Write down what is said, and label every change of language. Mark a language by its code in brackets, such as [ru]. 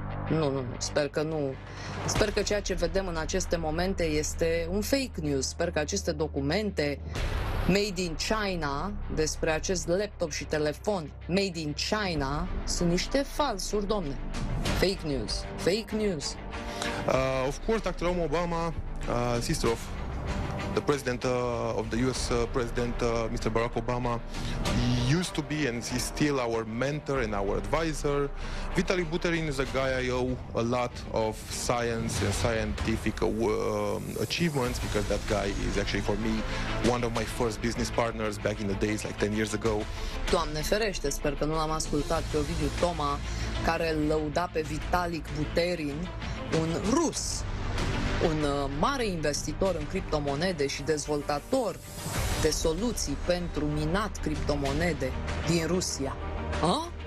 [ro] Nu, sper că nu. Sper că ceea ce vedem în aceste momente este un fake news. Sper că aceste documente [en] made in China [ro] despre acest laptop și telefon made in China sunt niște falsuri, domne. [en] Fake news. Of course, Dr. Obama, sister of the president of the US president, Mr. Barack Obama, used to be and he's still our mentor and our advisor. Vitaly Buterin is a guy I owe a lot of science and scientific achievements because that guy is actually for me one of my first business partners back in the days, like 10 years ago. [ro] Doamne ferește, sper că nu l-am ascultat pe Ovidiu Toma care lăuda pe Vitaly Buterin, un rus, un mare investitor în criptomonede și dezvoltator de soluții pentru minat criptomonede din Rusia. A?